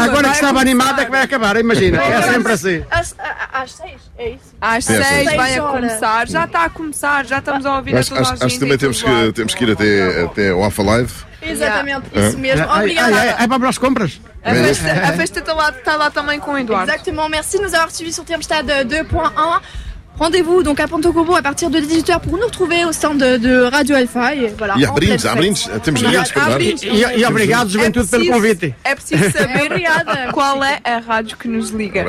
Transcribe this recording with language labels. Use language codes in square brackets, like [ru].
[pt] Agora que estava animada, é que vai acabar, imagina. É sempre assim. Às 6, é isso? Às 6 vai a começar. Já está a começar, já estamos a ouvir a tua voz. Acho que também temos que ir até o Alfa Live. Exatamente, isso mesmo. Obrigada. É para as compras. A festa está lá também com o Eduardo. [fr] Exatamente, merci de nos avoir suivis sur Tempestade 2.1. Rendez-vous donc à Pontecorvo à partir de 18h pour nous retrouver au stand de Radio Alpha. [pt] E há brindes, há brindes. Temos brindes para dar. E obrigado, juventude, pelo convite. É preciso saber qual é a rádio que nos liga.